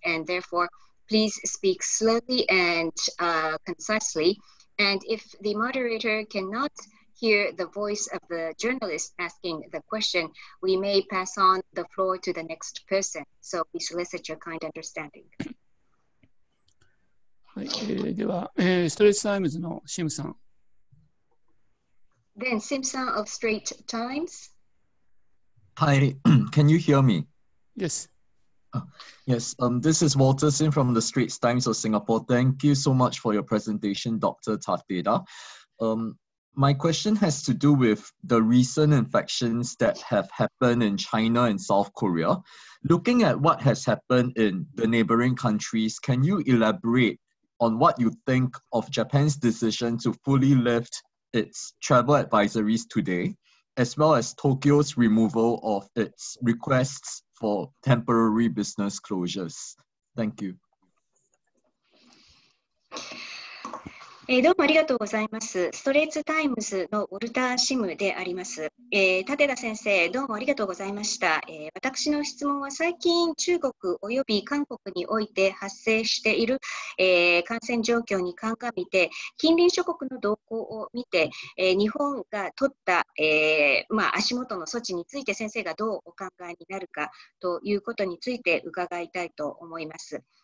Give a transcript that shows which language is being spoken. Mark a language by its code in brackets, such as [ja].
[en] And therefore, please speak slowly and concisely. And if the moderator cannot hear the voice of the journalist asking the question, we may pass on the floor to the next person. So we solicit your kind understanding. [ja] はい、では、ストレッチタイムズのシムさん。 [en] Then, シムさん of Straight Times. Hi, can you hear me? Yes. Yes, this is Walter Sim from the Straits Times of Singapore. Thank you so much for your presentation, Dr. Tateda. My question has to do with the recent infections that have happened in China and South Korea. Looking at what has happened in the neighboring countries, can you elaborate on what you think of Japan's decision to fully lift its travel advisories today, as well as Tokyo's removal of its requests for temporary business closures? Thank you. [ja] どうもありがとうございます。ストレイツタイムズのウォルター・シムであります。舘田先生、どうもありがとうございました。私の質問は最近中国及び韓国において発生している、感染状況に鑑みて、近隣諸国の動向を見て、日本が取った、足元の措置について先生がどうお考えになるかということについて伺いたいと思います。